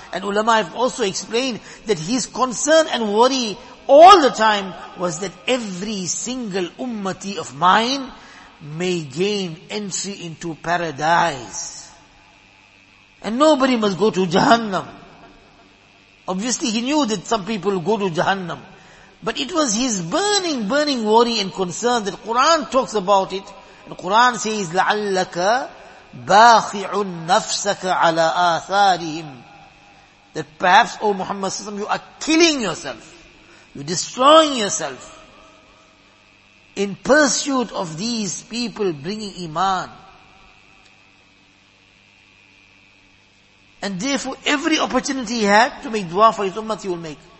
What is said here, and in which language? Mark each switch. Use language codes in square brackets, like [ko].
[en] And ulama have also explained that his concern and worry all the time was that every single ummati of mine may gain entry into paradise. And nobody must go to Jahannam. Obviously he knew that some people go to Jahannam. But it was his burning worry and concern that Quran talks about it. And Quran says, [ar] لَعَلَّكَ بَاخِعٌ نَفْسَكَ عَلَىٰ آثَارِهِمْ. [en] That perhaps, O Muhammad SAW, you are killing yourself. You're destroying yourself. In pursuit of these people bringing iman. And therefore, every opportunity he had to make dua for his ummah, he will make.